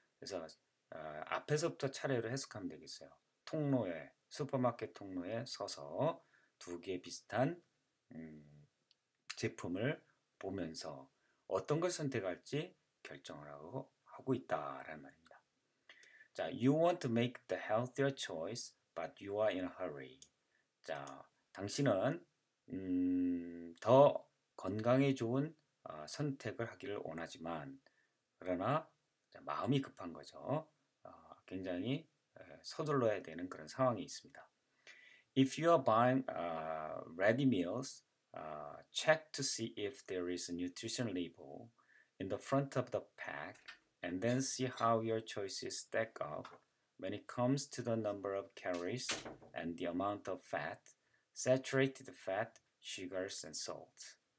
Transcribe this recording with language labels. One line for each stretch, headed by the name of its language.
Korean: 그래서 앞에서부터 차례로 해석하면 되겠어요. 통로에 슈퍼마켓 통로에 서서 두 개의 비슷한 제품을 보면서 어떤 걸 선택할지 결정하고 있다라는 말입니다.
English: 자, you want to make the healthier choice, but you are in a hurry.
Korean: 자, 당신은 더 건강에 좋은 선택을 하기를 원하지만, 그러나 마음이 급한 거죠. 굉장히 서둘러야 되는 그런 상황이 있습니다.
English: If you are buying ready meals, check to see if there is a nutrition label in the front of the pack and then see how your choices stack up when it comes to the number of calories and the amount of fat, saturated fat, sugars, and salt.